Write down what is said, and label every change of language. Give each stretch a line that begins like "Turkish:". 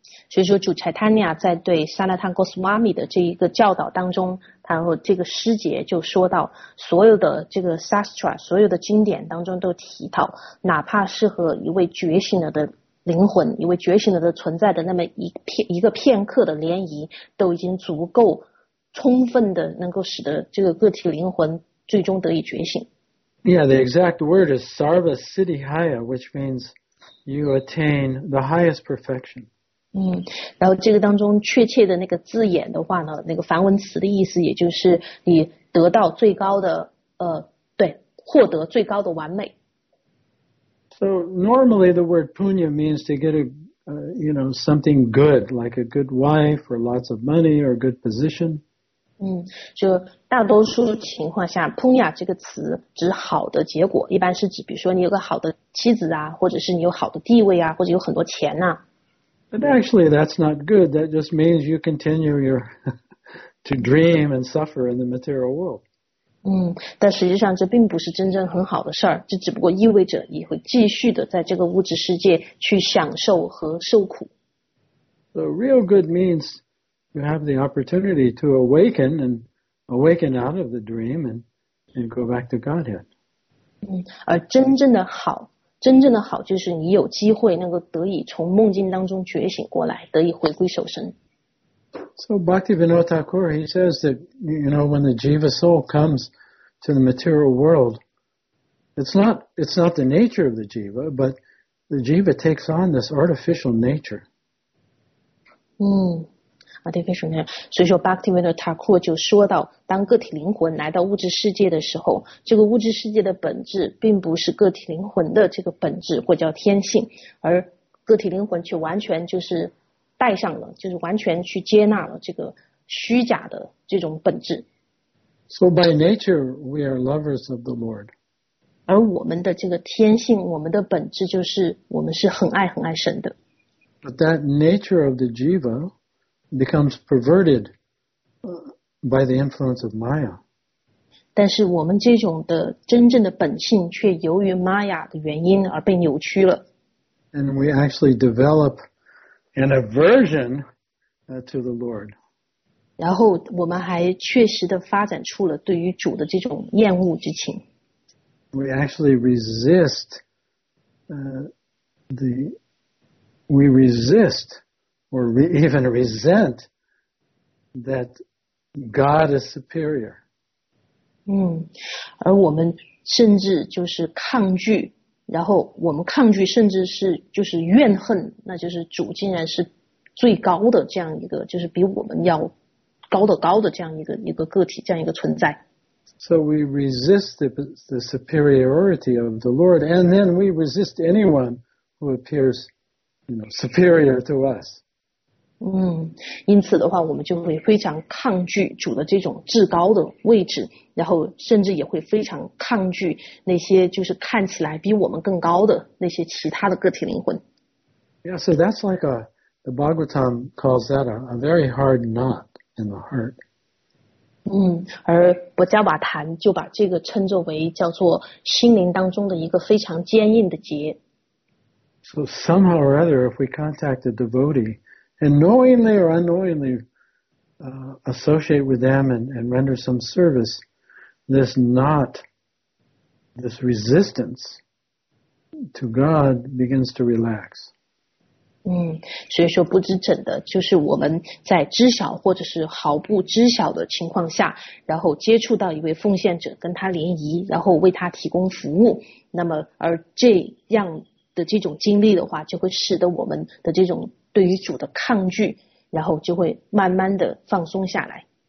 Chinese: 所以说主 Chaitanya 在对 Sanatan Goswami 的这一个教导当中，他这个师姐就说到，所有的这个 Sastra 所有的经典当中都提到，哪怕是和一位觉醒了的灵魂，一位觉醒了的存在的那么一个片刻的涟漪，都已经足够充分的能够使得这个个体灵魂最终得以觉醒。
English: Yeah, the exact word is Sarva Siddhi Haya, which means you attain the highest perfection.
Chinese: 然后这个当中确切的那个字眼的话呢，那个梵文词的意思也就是你得到最高的对，获得最高的完美。
English: So normally the word punya means to get a, you know, something good, like a good wife or lots of money or a good position.
Chinese: 就大多数情况下 punya 这个词指好的结果，一般是指比如说你有个好的妻子啊，或者是你有好的地位啊，或者有很多钱啊。
English: But actually, that's not good. That just means you continue your to dream and suffer in the material world.
Chinese: 但实际上这并不是真正很好的事儿，这只不过意味着你会继续的在这个物质世界去享受和受苦。
English: So real good means you have the opportunity to awaken and awaken out of the dream and go back to Godhead.
Chinese: 而真正的好。真正的好就是你有机会能够得以从梦境当中觉醒过来，得以回归守身。
English: So Bhaktivinoda Thakur, he says that, you know, when the jiva soul comes to the material world, it's not the nature of the jiva, but the jiva takes on this artificial nature. Artificial nature.
Chinese: 所以说 Bhaktivinoda Thakur 就说到，当个体灵魂来到物质世界的时候，这个物质世界的本质并不是个体灵魂的这个本质或叫天性，而个体灵魂却完全就是带上了，就是完全去接纳了这个虚假的这种本质。
English: So by nature, we are lovers of the Lord.
Chinese: 而我们的这个天性，我们的本质就是我们是很爱很爱神的。
English: But that nature of the jiva becomes perverted. By the influence of Maya.
Chinese: 但是我们这种的真正的本性却由于 Maya 的原因而被扭曲了。
English: And we actually develop an aversion to the Lord.
Chinese: 然后我们还确实的发展出了对于主的这种厌恶之情。
English: We actually resist, even resent thatGod is superior.
Chinese: 而我们甚至就是抗拒，然后我们抗拒甚至是就是怨恨，那就是主竟然是最高的这样一个，就是比我们要高的高的这样一个个体，这样一个存在。
English: So we resist the superiority of the Lord, and then we resist anyone who appears, you know, superior to us.
Chinese: 因此的话我们就会非常抗拒主的这种至高的位置，然后甚至也会非常抗拒那些就是看起来比我们更高的那些其他的个体灵魂。
English: Yeah, so that's like the Bhagavatam calls that a very hard knot in the heart.
Chinese: 而薄伽瓦坛就把这个称作为叫做心灵当中的一个非常坚硬的结。
English: So somehow or other, if we contact a devotee, and knowingly or unknowingly, associate with them and render some service, this knot, this resistance to God begins to relax.
Chinese: 所以说不知怎的，就是我们在知晓或者是毫不知晓的情况下，然后接触到一位奉献者，跟他联谊，然后为他提供服务，那么而这样的这种经历的话，就会使得我们的这种对于主的抗拒，然后就会慢慢的放松下来。